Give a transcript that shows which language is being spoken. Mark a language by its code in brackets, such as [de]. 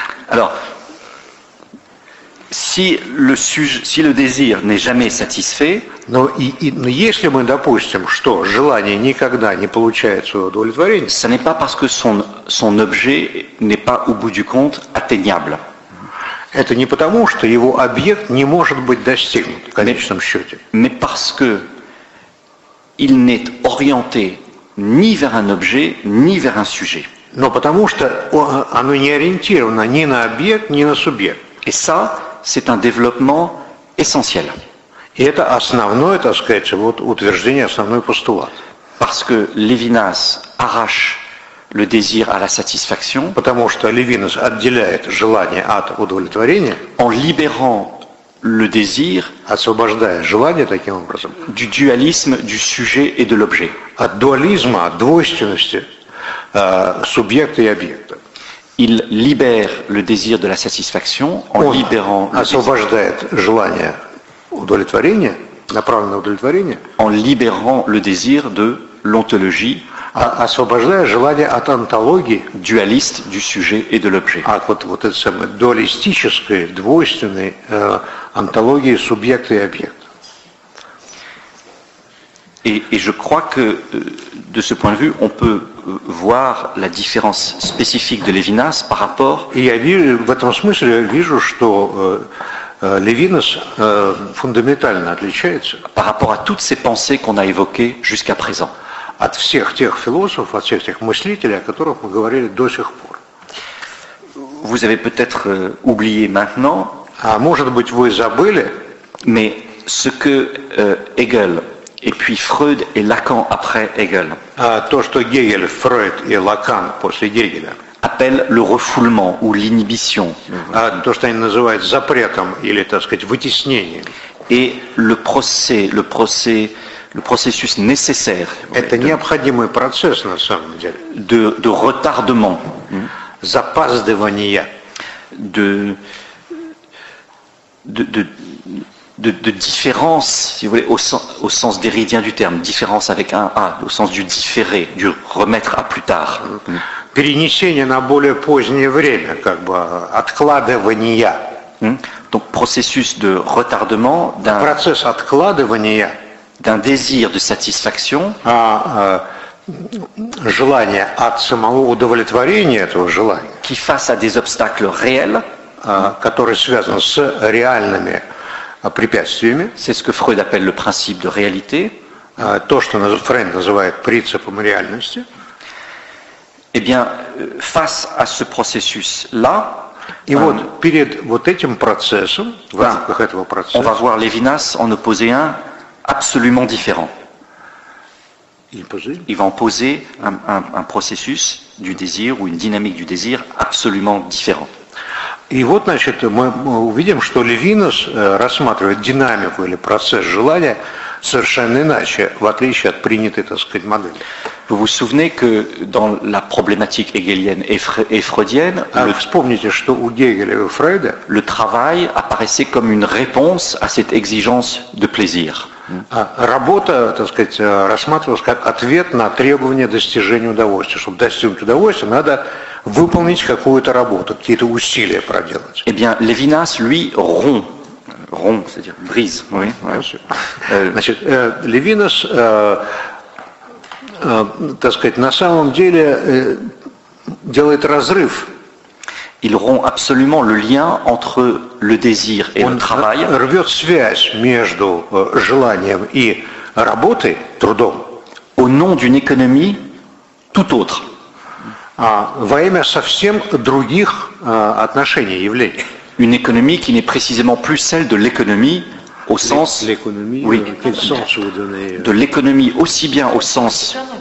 [fr] Alors, si le désir n'est jamais satisfait, [ru] но если мы допустим, что желание никогда не получает своего удовлетворения, [fr] ça n'est pas parce que son objet n'est pas au bout du compte atteignable. [ru] Это не потому, что его объект не может быть достигнут в конечном счете. [fr] Mais parce que il n'est orienté ni vers un objet, ni vers un sujet. [ru] Но потому что оно не ориентировано ни на объект, ни на субъект. [fr] Et ça, c'est un développement essentiel. [ru] И это основное, так сказать, вот утверждение, основной постулат. [fr] Parce que Levinas arrache le désir à la satisfaction. [ru] Потому что Левинас отделяет желание от удовлетворения. [fr] En libérant le désir. [ru] Освобождая желание таким образом. [fr] Du dualisme du sujet et de l'objet. [ru] От дуализма, от двойственности субъекта и объекта. [fr] Il libère le désir de la satisfaction en [ru] Он [fr] libérant [ru] освобождает желание удовлетворения, направленное удовлетворение, [fr] en libérant le désir de l'ontologie, [ru] освобождая желание от онтологии, [fr] dualiste du sujet et de l'objet. [ru] От вот этой самой дуалистической, двойственной онтологии субъекта и объекта. [fr] Et je crois que de ce point de vue, on peut voir la différence spécifique de Levinas par rapport. [ru] И я вижу, в этом смысле я вижу, что Левинас фундаментально отличается [fr] par rapport à toutes ces pensées qu'on a évoquées jusqu'à présent. [ru] от всех тех философов, от всех тех мыслителей, о которых мы говорили до сих пор. [fr] Vous avez peut-être oublié maintenant. [ru] А может быть, вы забыли? [fr] Mais ce que Hegel et puis Freud et Lacan après Hegel. [ru] А то, что Гегель, Фрейд и Лакан после Гегеля. [fr] Appelle le refoulement ou l'inhibition. [ru] А то, что они называют запретом или, так сказать, вытеснением. [fr] Et le processus nécessaire. [ru] Это необходимый процесс на самом деле. [fr] De retardement. [ru] Запаздывания. [fr] De différence, si vous voulez, au sens d'Héridien du terme, différence avec un A, au sens du différé, du remettre à plus tard. [ru] Перенесение на более позднее время, как бы откладывания. [fr] Donc processus de retardement d'un [ru] process откладывания [fr] d'un désir de satisfaction [ru] желание от самого удовлетворения этого желания [fr] qui face à des obstacles réels [ru] которые связаны с реальными препятствиями [fr] c'est ce que Freud appelle le principe de réalité [ru] то что Фрейд называет принципом реальности [fr] et bien face à ce processus là [ru] И вот перед вот этим процессом, в рамках этого процесса, [fr] on va voir Levinas en opposer un absolument différent. Il va en poser un processus du désir ou une dynamique du désir absolument différent. [ru] И вот, значит, мы увидим, что Левинас рассматривает динамику или процесс желания совершенно иначе, в отличие от принятой, так сказать, модели. [fr] Vous vous souvenez que dans la problématique hegelienne et freudienne, [ru] вспомните, что у Гегеля и у Фрейда [fr] le travail apparaissait comme une réponse à cette exigence de plaisir. [ru] Работа, так сказать, рассматривалась как ответ на требование достижения удовольствия. Чтобы достигнуть удовольствия, надо выполнить какую-то работу, какие-то усилия проделать. [fr] Eh bien, Levinas, lui, rompt, c'est-à-dire brise. Oui, ouais. [ru] Значит, Левинас так сказать, на самом деле делает разрыв. [fr] Il rompt absolument le lien entre le désir et [ru] Он [fr] le travail. [ru] Он рвет связь между желанием и работой, трудом. [fr] Au nom d'une économie tout autre. [ru] Во имя совсем других отношений, явлений. [fr] Une économie qui n'est précisément plus celle de l'économie au sens l'économie oui. Quel sens vous donnez de l'économie aussi bien au sens